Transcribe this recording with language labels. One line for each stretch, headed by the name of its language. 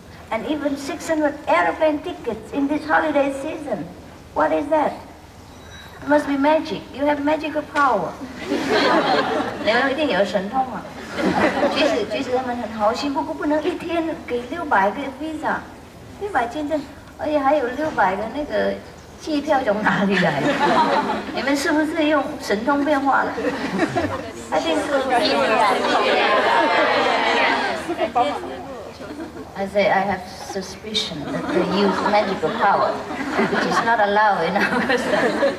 English: And even 600 airplane tickets in this holiday season, what is that? It must be magic. You have magical power.
Chinese: 你们一定有神通啊。其实他们很好心，不过不能一天给600个 visa， 600签证，而且还有600个那个机票从哪里来的？你们是不是用神通变化了？
English: I think so. I say I have suspicion that they use magical power, which is not allowed in our system.